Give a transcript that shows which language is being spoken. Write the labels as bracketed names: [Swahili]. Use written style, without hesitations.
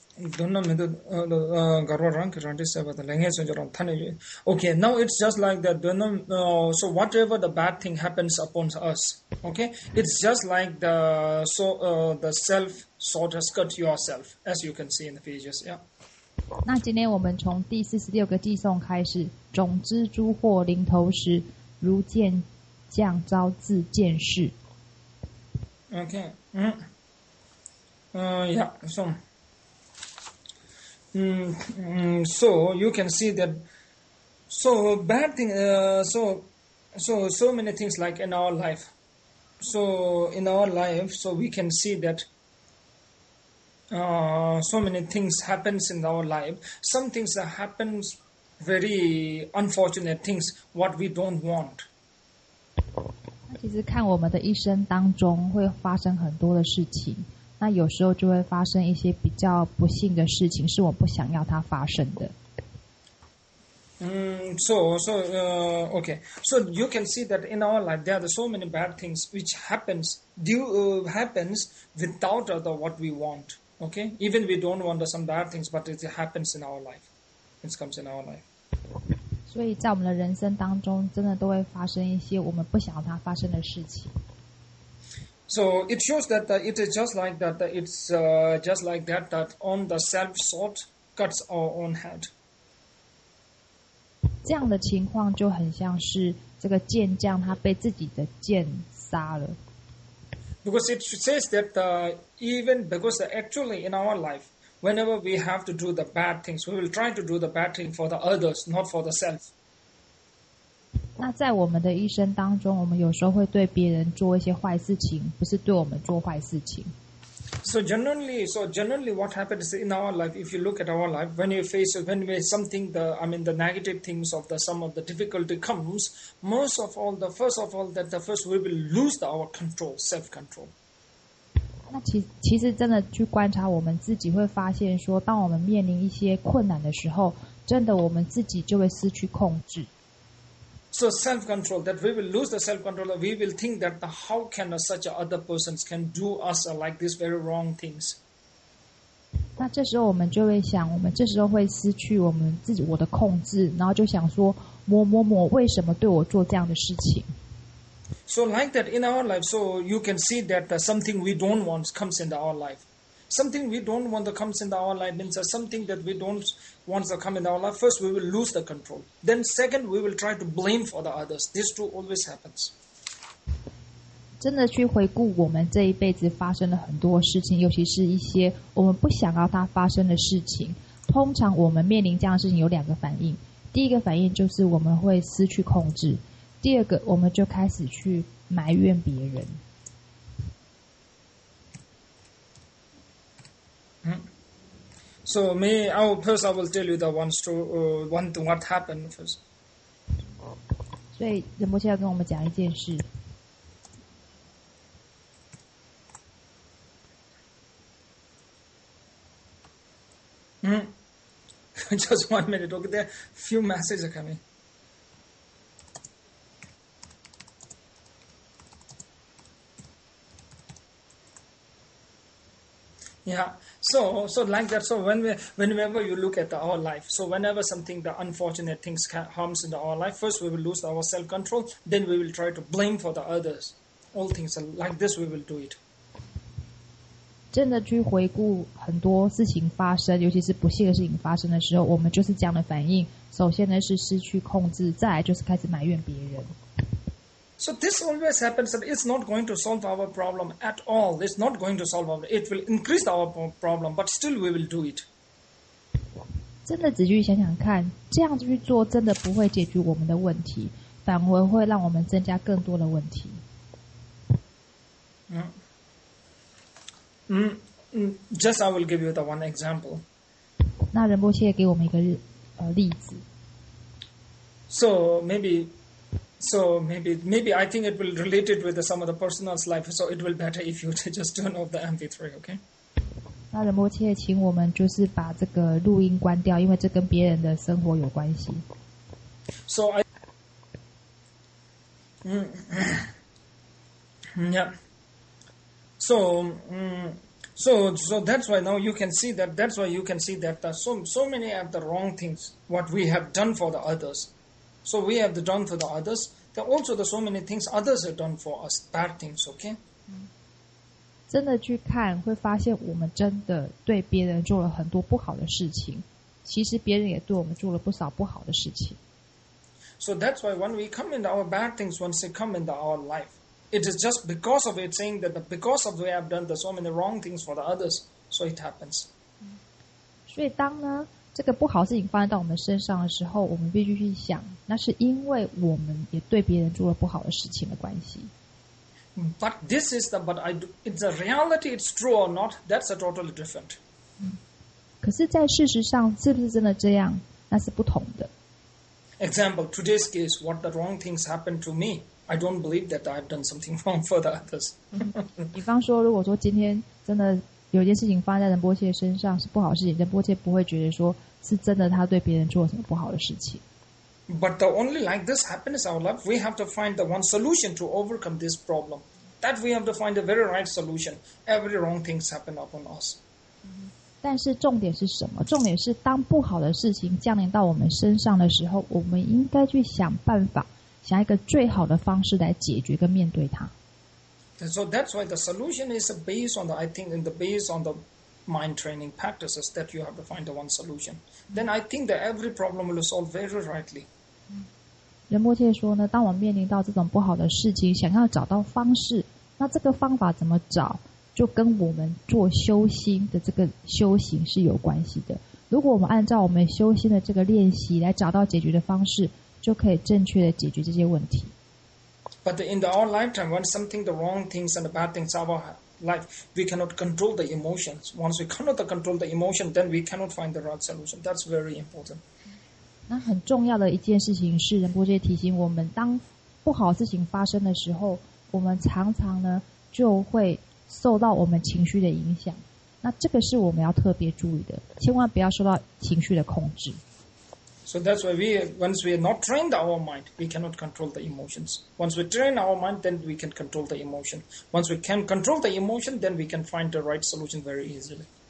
[English] Donna me the garwa rank rante sab the lenge so jaron thane okay now it's just like that donna so whatever the bad thing happens upon us okay it's just like the so the self sort of cut yourself as you can see in the pages yeah [Chinese] 那今天我们从第46个偈颂开始种蜘蛛或临头时如见降遭自见识 [English] okay yeah so so you can see that so bad thing so many things like in our life so in our life so we can see that so many things happens in our life some things that happens very unfortunate things what we don't want [Chinese] 其实看我们的一生当中会发生很多的事情那有时候就会发生一些比较不幸的事情，是我不想要它发生的。 [English] Okay. So you can see that in our life there are so many bad things which happens happens without other what we want. Okay. Even we don't want some bad things, but it happens in our life. It comes in our life. [Chinese] 所以在我们的人生当中，真的都会发生一些我们不想要它发生的事情。 [English] So it shows that it is just like that. It's just like that. That on the self sort cuts our own head. [Chinese] 这样的情况就很像是这个剑将他被自己的剑杀了。 [English] Because it says that even because actually in our life, whenever we have to do the bad things, we will try to do the bad thing for the others, not for the self. [Chinese] 那在我们的一生当中，我们有时候会对别人做一些坏事情，不是对我们做坏事情。 [English] So generally, what happens in our life? If you look at our life, when negative things of the some of the difficulty comes, first we will lose our control, self control. [Chinese] 那其实真的去观察我们自己，会发现说，当我们面临一些困难的时候，真的我们自己就会失去控制。 [English] So self-control, that we will lose the self-control, we will think that how can such other persons can do us like these very wrong things. [Chinese] 那这时候我们就会想，我们这时候会失去我们自己我的控制，然后就想说，某某某为什么对我做这样的事情？ [English] So like that in our life, so you can see that something we don't want comes into our life. Something we don't want to come into our life means something that we don't want to come into our life. First, we will lose the control. Then second, we will try to blame for the others. These two always happens. [Chinese] 真的去回顾我们这一辈子发生了很多事情，尤其是一些我们不想要它发生的事情。通常我们面临这样的事情有两个反应。第一个反应就是我们会失去控制。第二个，我们就开始去埋怨别人。 [English] So me, I will tell you the one story, one thing what happened first. [Chinese] 所以仁波切要跟我们讲一件事。 [English] Just 1 minute. Okay, there few messages are coming. Yeah. So like that. So whenever you look at our life, so whenever something the unfortunate things harms in our life, first we will lose our self control. Then we will try to blame for the others. All things are like this, we will do it. [Chinese] 真的去回顾很多事情发生，尤其是不幸的事情发生的时候，我们就是这样的反应。首先呢是失去控制，再来就是开始埋怨别人。 [English] So this always happens that it's not going to solve our problem at all. It's not going to solve our problem. It will increase our problem, but still we will do it. [Chinese] 真的仔细想想看，这样子去做真的不会解决我们的问题，反而会让我们增加更多的问题。 [English] Just I will give you the one example. [Chinese] 那仁波切给我们一个例子。 [English] So maybe So maybe I think it will relate it with some of the personal's life, so it will better if you just turn off the MP3, okay? [Chinese] 那仁波切请我们就是把这个录音关掉，因为这跟别人的生活有关系。 [English] So I, So, so that's why now you can see that. That's why you can see that the so many of the wrong things what we have done for the others. So we have done for the others. There are also the so many things others have done for us, bad things. Okay. [Chinese] 真的去看，会发现我们真的对别人做了很多不好的事情。其实别人也对我们做了不少不好的事情。 [English] So that's why when we come into our bad things, once they come into our life. It is just because of it saying that because of we have done the so many wrong things for the others, so it happens. 所以当呢这个不好事情发生到我们身上的时候，我们必须去想，那是因为我们也对别人做了不好的事情的关系。 But this is the but I do, it's a reality. It's true or not? That's a totally different. [Chinese] 可是，在事实上，是不是真的这样？那是不同的。 [English] Example today's case, what the wrong things happened to me? I don't believe that I've done something wrong for the others. [Chinese] 比方说，如果说今天真的有件事情发生在仁波切身上是不好事情，仁波切不会觉得说是真的他对别人做了什么不好的事情。 [English] But the only like this happens in our life, we have to find the one solution to overcome this problem. That we have to find the very right solution. Every wrong things happen upon us. [Chinese] 但是重点是什么？重点是当不好的事情降临到我们身上的时候，我们应该去想办法。想一个最好的方式来解决跟面对它。 [English] So that's why the solution is based on the, I think, in the based on the mind training practices that you have to find the one solution. Then I think that every problem will solve very rightly. [Chinese] 仁波切说呢，当我面临到这种不好的事情，想要找到方式，那这个方法怎么找，就跟我们做修心的这个修行是有关系的。如果我们按照我们修心的这个练习来找到解决的方式。就可以正确的解决这些问题。 [English] But in the our lifetime, when something the wrong things and the bad things of our life, we cannot control the emotions. Once we cannot control the emotion, then we cannot find the right solution. That's very important. [Chinese] 那很重要的一件事情是，仁波切提醒我们，当不好事情发生的时候，我们常常呢就会受到我们情绪的影响。那这个是我们要特别注意的，千万不要受到情绪的控制。 [English] So that's why we, once we are not trained our mind, we cannot control the emotions. Once we train our mind, then we can control the emotion. Once we can control the emotion, then we can find the right solution very easily.